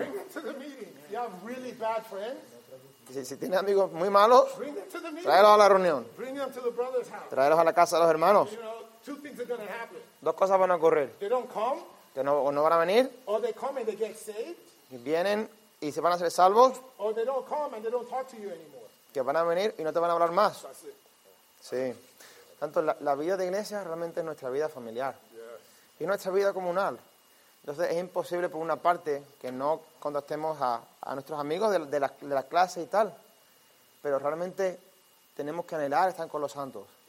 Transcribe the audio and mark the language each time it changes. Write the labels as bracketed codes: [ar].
[en] Bring them to the meeting. You have really bad friends. [es] Si tienes amigos muy malos, tráelos a la reunión. Tráelos a la casa de los hermanos. [en] You know, [es] dos cosas van a ocurrir. [en] They don't come, [es] que no, o no van a venir. [en] Or they come and they get saved, [es] y vienen y se van a hacer salvos. [en] Or they don't come and they don't talk to you anymore. [es] Que van a venir y no te van a hablar más. Sí. Tanto la vida de iglesia realmente es nuestra vida familiar. [en] Yes. [es] Y nuestra vida comunal. Entonces es imposible por una parte que no contactemos a nuestros amigos de la clase y tal, pero realmente tenemos que anhelar estar con los santos.